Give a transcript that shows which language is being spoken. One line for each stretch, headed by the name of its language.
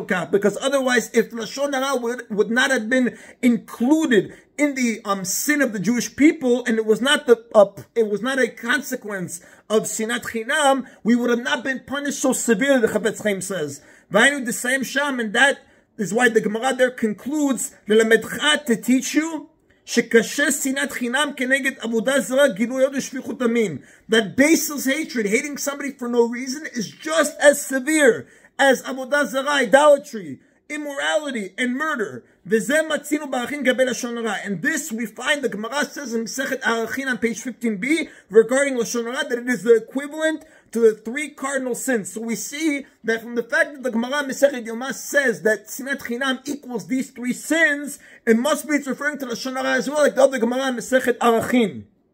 English: Because otherwise, if Lashon Hara would not have been included in the sin of the Jewish people, and it was not a consequence of Sinat Chinam, we would have not been punished so severely, the Chofetz Chaim says. And that is why the Gemara there concludes, to teach you,
Hebrew: שקשה שנאת חינם כנגד עבודה זרה, גילוי עוד ושפיכות דמים.
English: That baseless hatred, hating somebody for no reason, is just as severe as עבודה זרה, idolatry, immorality, and murder.
Hebrew: וזה מצינו בערכים גבי לשון הרע.
English: And this we find, the Gemara says in מסכת ערכים on page 15b, regarding לשון הרע, that it is the equivalent to the three cardinal sins. So we see that from the fact that the Gemara Masechet Yoma says that Sinat Chinam equals these three sins, it must be it's referring to Lashon Hara as well, like the other Gemara Masechet Arachin.